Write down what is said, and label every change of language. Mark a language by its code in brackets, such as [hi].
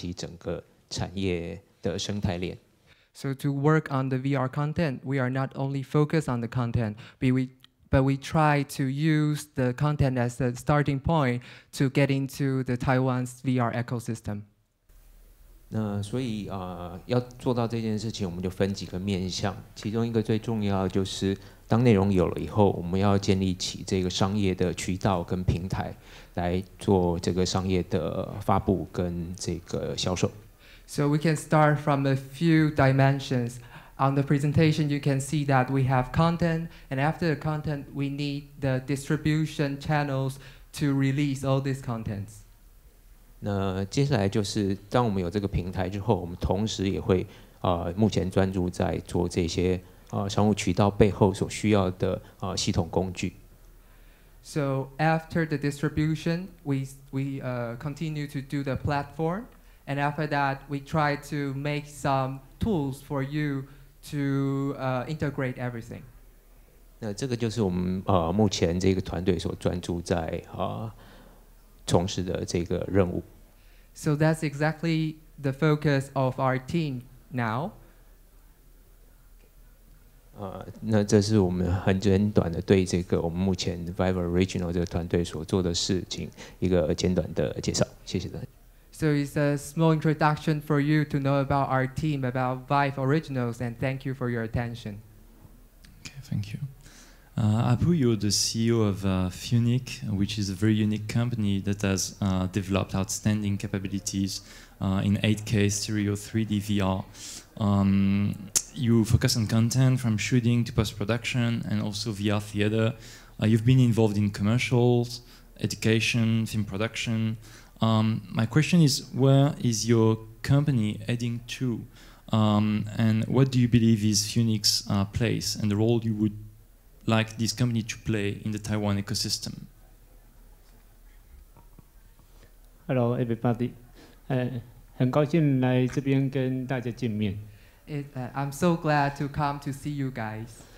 [zh] 那成立这个内容团队的目的，并不是只有专注在内容的制作，从希望从内容这个角度来切入，拉起整个产业的生态链。 [en] So to work on the VR content, we are not only focused on the content, but we try to use the content as the starting point to get into the Taiwan's VR ecosystem. [zh] 那所以要做到这件事情，我们就分几个面向。其中一个最重要就是，当内容有了以后，我们要建立起这个商业的渠道跟平台来做这个商业的发布跟这个销售。 [en] So we can start from a few dimensions. On the presentation, you can see that we have content, and after the content, we need the distribution channels to release all these contents. [zh] 那接下来就是，当我们有这个平台之后，我们同时也会，目前专注在做这些商务渠道背后所需要的系统工具。 [en] So after the distribution, we continue to do the platform. And after that, we try to make some tools for you to integrate everything. [zh] 那这个就是我们目前这个团队所专注在从事的这个任务。 [en] So that's exactly the focus of our team now. [zh] 那这是我们很简短的对这个我们目前 Vive Original 这个团队所做的事情一个简短的介绍，谢谢大家。 [en] So it's a small introduction for you to know about our team, about Vive Originals, and thank you for your attention. Okay, thank you. Apu, you're the CEO of Funique, which is a very unique company that has developed outstanding capabilities in 8K, stereo, 3D, VR. You focus on content from shooting to post-production and also VR theater. You've been involved in commercials, education, film production. My question is, where is your company heading to? And what do you believe is Funique's place and the role you would like this company to play in the Taiwan ecosystem? Hello, everybody. [zh] 很高兴来这边跟大家见面。 [en] I'm so glad to come to see you guys.